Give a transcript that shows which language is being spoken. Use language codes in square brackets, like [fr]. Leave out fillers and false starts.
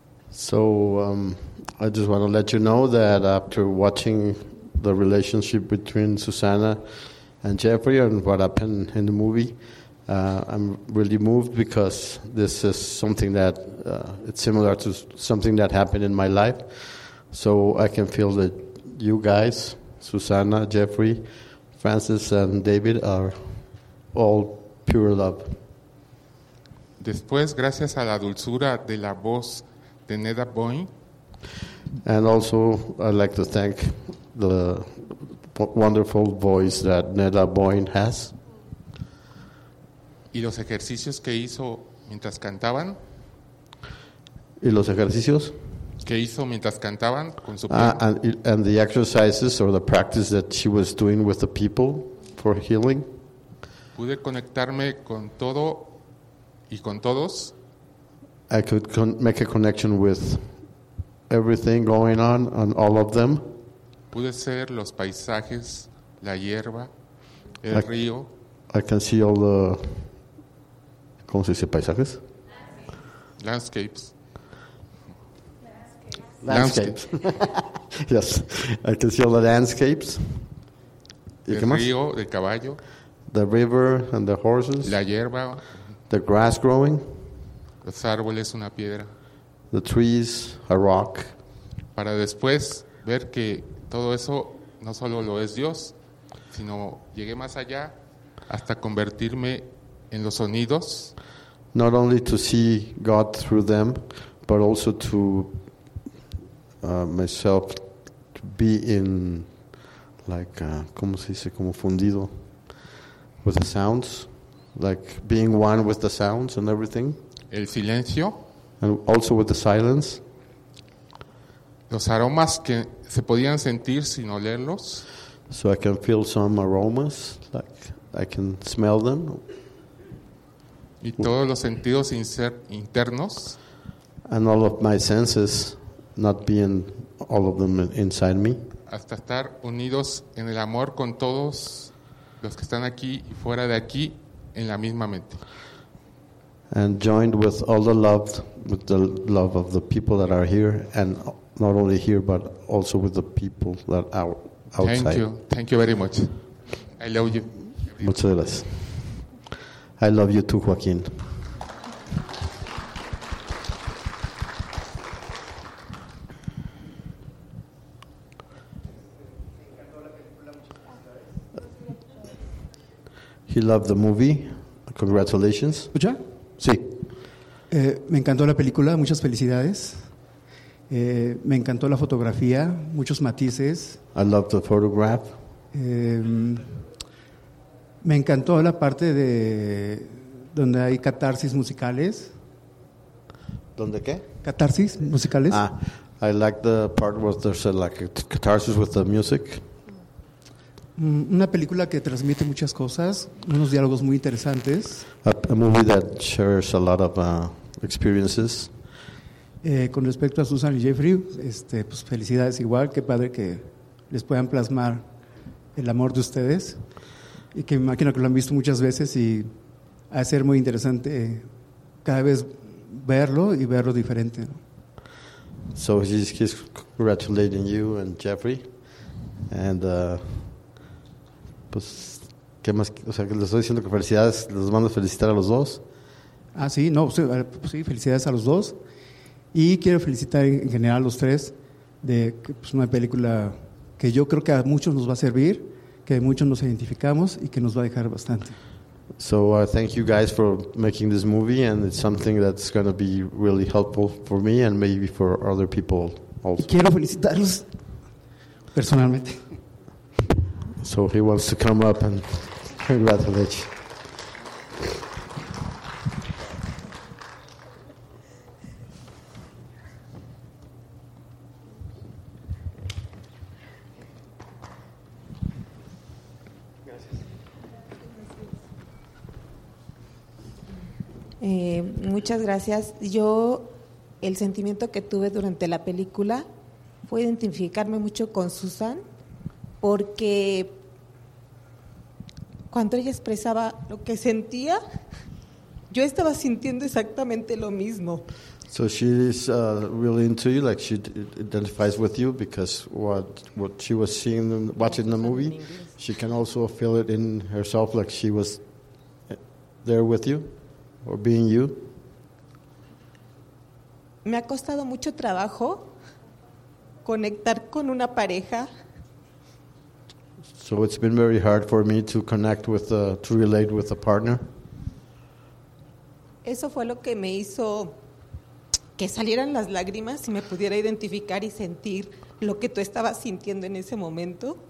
[en] So I just want to let you know that after watching the relationship between Susana and Jeffrey and what happened in the movie, I'm really moved because this is something that it's similar to something that happened in my life. So I can feel that you guys, Susana, Jeffrey, Francis and David are all pure love. [es] Después, gracias a la dulzura de la voz de Neda Boyne. [en] And also, I'd like to thank the wonderful voice that Neda Boyne has. [es] Y los ejercicios que hizo mientras cantaban. ¿Y los ejercicios? que hizo mientras cantaban con su [en] and the exercises or the practice that she was doing with the people for healing. [es] Pude conectarme con todo y con todos. [en] I could make a connection with everything going on and all of them. [es] Pude ser los paisajes, la hierba, el río. [en] I can see all the, [es] ¿cómo se dice paisajes? [en] Landscapes. Landscapes. Yes, I can see all the landscapes. [es] ¿Y el qué más? Río, el caballo. [en] The river and the horses. [es] La hierba. [en] The grass growing. [es] Los árboles, una piedra. [en] The trees, a rock. [es] Para después ver que todo eso no solo lo es Dios, sino llegué más allá hasta convertirme en los sonidos. [en] Not only to see God through them, but also to myself to be in, like, [es] ¿cómo se dice? Como fundido [en] with the sounds, like being one with the sounds and everything. [es] El silencio. [en] And also with the silence. [es] Los aromas que se podían sentir sin olerlos. [en] So I can feel some aromas, like I can smell them. [es] Y todos los sentidos internos. [en] And all of my senses, not being all of them inside me. [es] Hasta estar unidos en el amor con todos los que están aquí y fuera de aquí en la misma mente. [en] And joined with all the love, with the love of the people that are here, and not only here, but also with the people that are outside. Thank you very much. I love you. [es] Muchas gracias. [en] I love you too, Joaquín. He loved the movie. Congratulations. [es] ¿Ya? Sí. Me encantó la película. Muchas felicidades. Me encantó la fotografía. Muchos matices. [en] I loved the photograph. [es] Me encantó la parte de donde hay catarsis musicales. ¿Dónde qué? Catarsis musicales. [en] I like the part where there's like a catarsis with the music. [es] Una película que transmite muchas cosas, unos diálogos muy interesantes. [en] A movie that shares a lot of experiences. [es] Con respecto a Susan y Jeffrey, pues felicidades igual, qué padre que les puedan plasmar el amor de ustedes. Y que me imagino que lo han visto muchas veces y va a ser muy interesante cada vez verlo y verlo diferente. [en] So he's congratulating you and Jeffrey. And, [es] pues, ¿qué más? O sea, que les estoy diciendo que felicidades, les mando a felicitar a los dos. Ah, sí, no, sí, felicidades a los dos. Y quiero felicitar en general a los tres de pues, una película que yo creo que a muchos nos va a servir, que muchos nos identificamos y que nos va a dejar bastante. [en] So thank you guys for making this movie, and it's something that's going to be really helpful for me and maybe for other people also. [es] Quiero felicitarlos personalmente. [en] So he wants to come up and congratulate you. [es] Muchas gracias. Yo, el sentimiento que tuve durante la película fue identificarme mucho con Susan, porque cuando ella expresaba lo que sentía, yo estaba sintiendo exactamente lo mismo. [en] So she is really into you, like she identifies with you, because what she was seeing, watching the movie, she can also feel it in herself, like she was there with you, or being you. [es] Me ha costado mucho trabajo conectar con una pareja. [en] So it's been very hard for me to connect with to relate with a partner. [es] Eso fue lo que me hizo que salieran las lágrimas y me pudiera identificar y sentir lo que tú estabas sintiendo en ese momento.